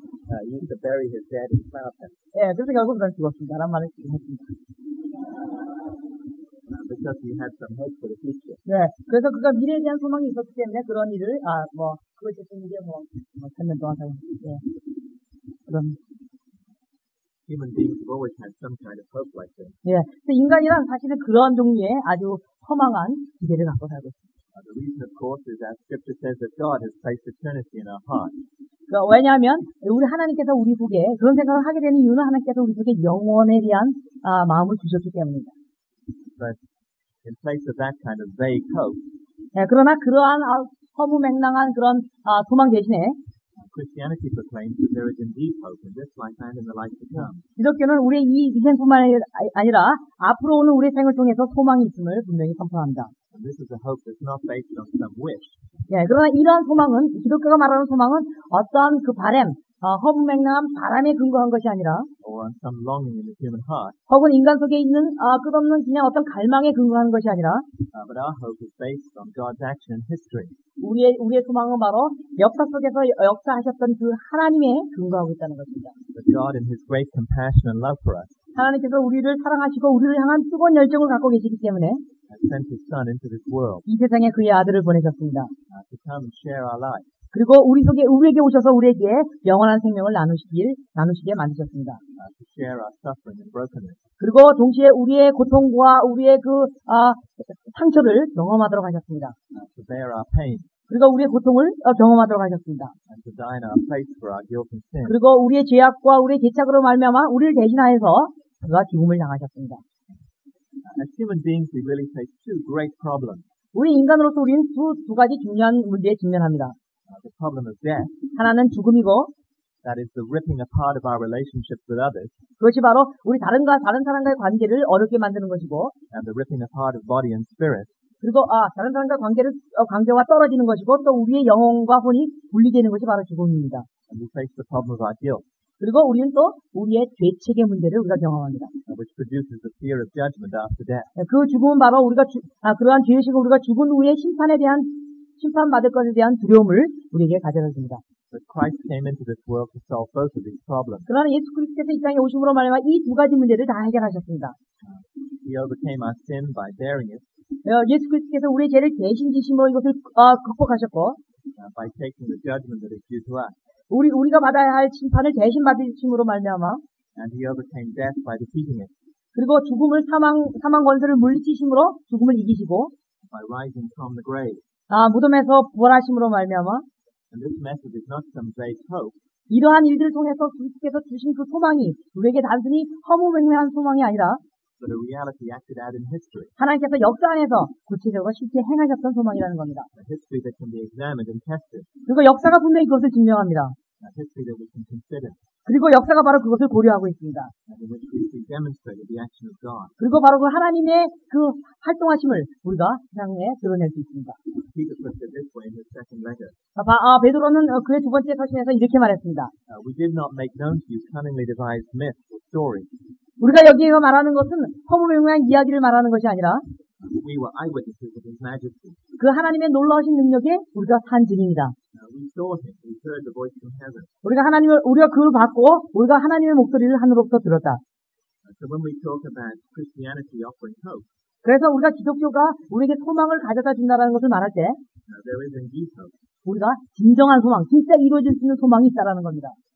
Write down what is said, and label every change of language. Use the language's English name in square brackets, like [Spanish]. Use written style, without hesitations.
[English] He used to bury his dead in cloud pen. [Korean] 예, 그래서 결국 그는 죽었습니다. 라는 말을 지금 했습니다. [English] Because he had some hope for the future. [Korean] 네, 그래서 그가 미래에 대한 소망이 있었기 때문에 그런 일을, 그걸 했던 일에 3년 동안 살고 있습니다. 예. 그럼. [English] Human beings have always had some kind of hope like this. [Korean] 예, 그래서 인간이란 사실은 그런 종류의 아주 허망한 기대를 갖고 살고 있습니다. [English] The reason, of course, is that Scripture says that God has placed eternity in our hearts. [Korean] 왜냐하면 우리 하나님께서 우리 속에 그런 생각을 하게 되는 이유는 하나님께서 우리 속에 영원에 대한 마음을 주셨기 때문입니다. [English] But in place of that kind of vague hope, [Korean] 네, 그러나 그러한 허무맹랑한 그런 소망 대신에 [English] Christianity proclaims that there is indeed hope in this life and in the life to come. [Korean] 기독교는 우리 이 인생뿐만 아니라 앞으로 오는 우리 생을 통해서 소망이 있음을 분명히 선포합니다. [English] And this is a hope that's not based on some wish. [Korean] 예, 그러나 이러한 소망은 기독교가 말하는 소망은 어떠한 그 바람, 허무맹랑한 바람에 근거한 것이 아니라 [English] or on some longing in the human heart. [Korean] 혹은 인간 속에 있는 끝없는 그냥 어떤 갈망에 근거하는 것이 아니라 [English] but our hope is based on God's action in history. [Korean] 우리의 소망은 바로 역사 속에서 역사하셨던 그 하나님에 근거하고 있다는 것입니다. [English] But God in His great compassion and love for us. [Korean] 하나님께서 우리를 사랑하시고 우리를 향한 뜨거운 열정을 갖고 계시기 때문에 [English] sent his son into this world. [Korean] 이 세상에 그의 아들을 보내셨습니다. [English] To come and share our life. [Korean] 그리고 우리 속에 우리에게 오셔서 우리에게 영원한 생명을 나누시게 만드셨습니다. [English] To share our suffering and brokenness. [Korean] 그리고 동시에 우리의 고통과 우리의 그 상처를 경험하도록 하셨습니다. [English] To bear our pain. [Korean] 그리고 우리의 고통을 경험하도록 하셨습니다. [English] And to die in our place for our guilt and sin. [Korean] 그리고 우리의 죄악과 우리의 죄책으로 말미암아 우리를 대신하여서 그가 죽음을 당하셨습니다. [English] As human beings, we really face two great problems. [Korean] 우리 인간으로서 우리는 두 가지 중요한 문제에 직면합니다. [English] The problem of death. [Korean] 하나는 죽음이고. [English] That is the ripping apart of our relationships with others. [Korean] 그것이 바로 우리 다른 사람과의 관계를 어렵게 만드는 것이고. [English] And the ripping apart of body and spirit. [Korean] 그리고 다른 사람과 관계와 떨어지는 것이고 또 우리의 영혼과 혼이 분리되는 것이 바로 죽음입니다. [English] And we face the problem of our guilt. [Korean] 그리고 우리는 또 우리의 죄책의 문제를 우리가 경험합니다. [English] Which produces the fear of judgment after death. [Korean] 그 죽음은 바로 우리가 그러한 죄의식은 우리가 죽은 후에 심판받을 것에 대한 두려움을 우리에게 가져다 줍니다. [English] But Christ came into this world to solve both of these problems. [Korean] 그러나 예수 그리스도께서 이 땅에 오심으로 말미암아 이 두 가지 문제를 다 해결하셨습니다. [English] He overcame our sin by bearing it. [Korean] 예수 그리스도께서 우리의 죄를 대신 지심으로 이것을 극복하셨고 [English] by taking the judgment that is due to us. [Korean] 우리가 받아야 할 심판을 대신 받으심으로 말미암아 [English] and he overcame death by defeating it. [Korean] 그리고 죽음을 사망 권세를 물리치심으로 죽음을 이기시고 [English] by rising from the grave. [Korean] 무덤에서 부활하심으로 말미암아 [English] and this message is not some vague hope. [Korean] 이러한 일들을 통해서 그리스도께서 주신 그 소망이 우리에게 단순히 허무맹랑한 소망이 아니라 [English] but a reality acted out in history. [Korean] 하나님께서 역사 안에서 구체적으로 실제 행하셨던 소망이라는 겁니다. [English] A history that can be examined and tested. [Korean] 그리고 역사가 분명히 그것을 증명합니다. [English] A history that we can consider. [Korean] 그리고 역사가 바로 그것을 고려하고 있습니다. [English] And in which we see demonstrated the action of God. [Korean] 그리고 바로 그 하나님의 그 활동하심을 우리가 세상에 드러낼 수 있습니다. [English] Peter put it this way in his second letter. [Korean] 베드로는 그의 두 번째 서신에서 이렇게 말했습니다. [English] We did not make known to you cunningly devised myths or stories. [Korean] 우리가 여기에서 말하는 것은 허무맹랑한 이야기를 말하는 것이 아니라 [English] we were eyewitnesses of his majesty. [Korean] 그 하나님의 놀라우신 능력에 우리가 산 증인이다. [English] We saw him. We heard the voice from heaven. [Korean] 우리가 그를 봤고 우리가 하나님의 목소리를 하늘로부터 들었다. [English] So when we talk about Christianity offering hope, [Korean] 그래서 우리가 기독교가 우리에게 소망을 가져다 준다는 것을 말할 때 [English] there is indeed hope. [Korean] 우리가 진정한 소망, 진짜 이루어질 수 있는 소망이 있다라는 겁니다.